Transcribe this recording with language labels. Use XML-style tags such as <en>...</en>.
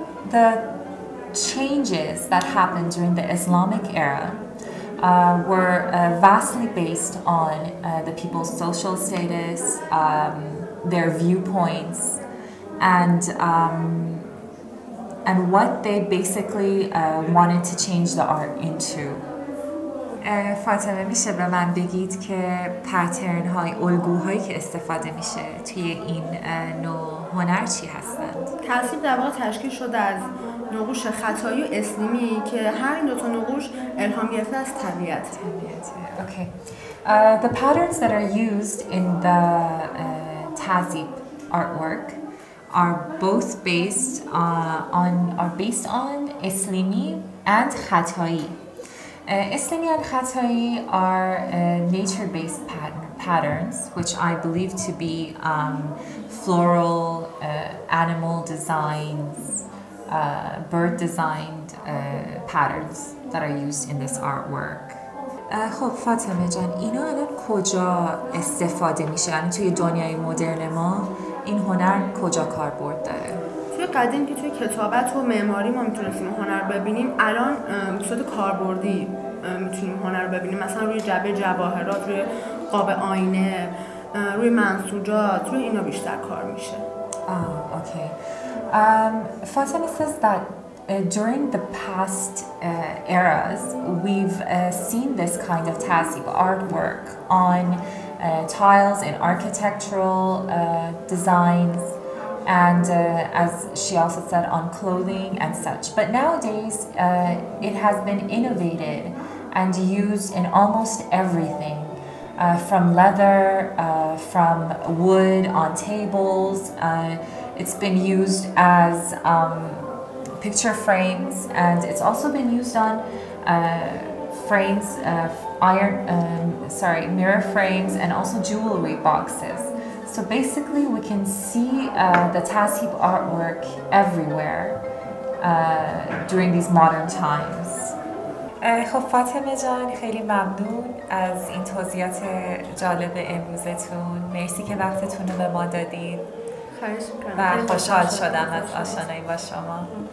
<en>The changes that happened during the Islamic era were vastly based on the people's social status, their viewpoints, and what they basically wanted to change the art into.</en> <fa>فاطمه میشه به من بگید که پترن های الگوهایی که استفاده میشه توی این نوع هنر چی هستند؟ تصویر در واقع تشکیل شده از نقوش خطایی و اسلیمی که هر این دو تا نقوش الهام گرفته از طبیعت.</fa> <en>Okay. The patterns that are used in the Tazhib artwork are both based on Islimi and Khatai. Islimi and Khatai are nature-based patterns, which I believe to be floral, animal designs, bird designed patterns that are used in this artwork.</en> <fa>خب فاطمه جان، اینا الان کجا استفاده میشن توی دنیای مدرن ما؟ این هنر کجا کاربرد داره؟ توی قدیم که توی کتابت و معماری ما میتونستیم هنر ببینیم، الان به صورت کاربردی میتونیم هنر ببینیم، مثلا روی جعبه جواهرات، روی قاب آینه، روی منسوجات، روی اینا بیشتر کار میشه.</fa> <en>Okay. Fatemeh says that during the past eras we've seen this kind of tazhib artwork on tiles and architectural designs, and as she also said, on clothing and such. But nowadays, it has been innovated and used in almost everything, from leather, from wood on tables. It's been used as picture frames, and it's also been used on frames of mirror frames, and also jewelry boxes. So basically, we can see the Tazhib artwork everywhere during these modern times.</en> <fa>خب فاطمه جان، خیلی ممنون از این توضیحات جالب امروزتون. مرسی که وقتتون رو به ما دادید. خواهش می‌کنم. و خوشحال شدم از آشنایی با شما.</fa>